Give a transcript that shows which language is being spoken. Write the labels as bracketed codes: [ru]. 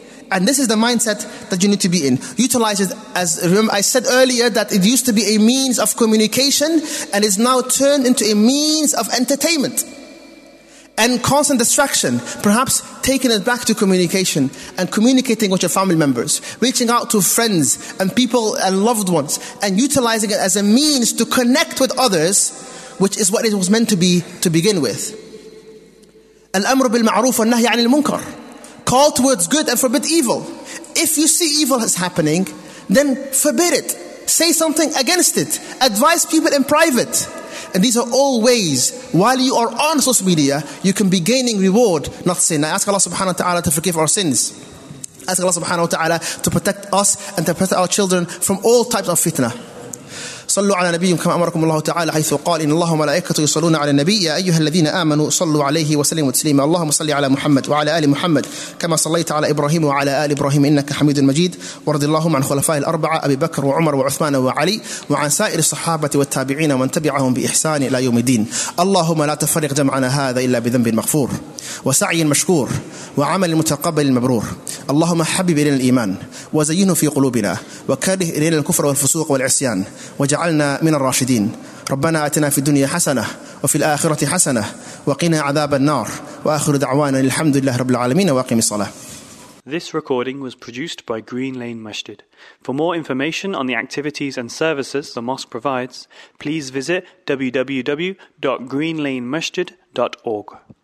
[en] And this is the mindset that you need to be in. Utilize it. As remember, I said earlier, that it used to be a means of communication and is now turned into a means of entertainment and constant distraction. Perhaps taking it back to communication and communicating with your family members, reaching out to friends and people and loved ones, and utilizing it as a means to connect with others, which is what it was meant to be to begin with. [ar] الأمر بالمعروف والنهي عن المنكر. [en] Call towards good and forbid evil. If you see evil is happening, then forbid it. Say something against it. Advise people in private. And these are all ways, while you are on social media, you can be gaining reward, not sin. I ask Allah subhanahu wa ta'ala to forgive our sins. I ask Allah subhanahu wa ta'ala to protect us and to protect our children from all types of fitna. [ar] صلوا على نبيكم كما أمركم الله تعالى حيث قال إن الله وملائكته يصلون على النبي يا أيها الذين آمنوا صلوا عليه وسلموا تسليما اللهم صل على محمد وعلى آل محمد كما صليت على إبراهيم وعلى آل إبراهيم إنك حميد مجيد ورضي اللهم عن خلفاء الأربعة أبي بكر وعمر وعثمان وعلي وعن سائر الصحابة والتابعين ومن تبعهم بإحسان إلى يوم الدين اللهم لا تفرق جمعنا هذا إلا بذنب مغفور وسعي مشكور وعمل متقبل مبرور اللهم حبب إلينا الإيمان وزينه في قلوبنا وكره إلينا الكفر والفسوق والعصيان وجعلنا من الراشدين ربنا آتنا في الدنيا حسنة وفي الآخرة حسنة وقنا عذاب النار وآخر دعوانا الحمد لله رب العالمين وأقم الصلاة. [en] This recording was produced by Green Lane Masjid. For more information on the activities and services the mosque provides, please visit www.greenlanemasjid.org.